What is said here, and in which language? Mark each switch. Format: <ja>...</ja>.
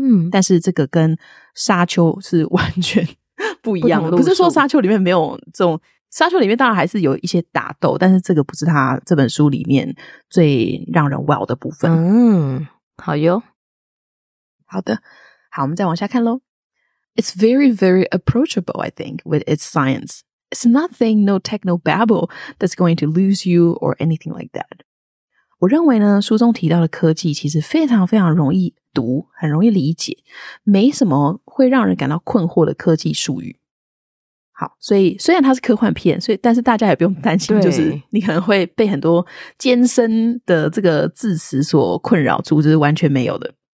<zh>但是这个跟沙丘是完全不一样的，不是说沙丘里面没有这种，沙丘里面当然还是有一些打斗，但是这个不是他这本书里面最让人 wow 的部分。好哟。好的，好，我们再往下看咯。</zh> <en>It's very, very approachable, I think, with its science. It's nothing, no techno babble that's going to lose you or anything like that.</en> <zh>我认为呢，书中提到的科技其实非常非常容易读，很容易理解，没什么会让人感到困惑的科技术语。好，所以虽然它是科幻片，所以但是大家也不用担心，就是你可能会被很多艰深的这个字词所困扰住，这是完全没有的。</zh>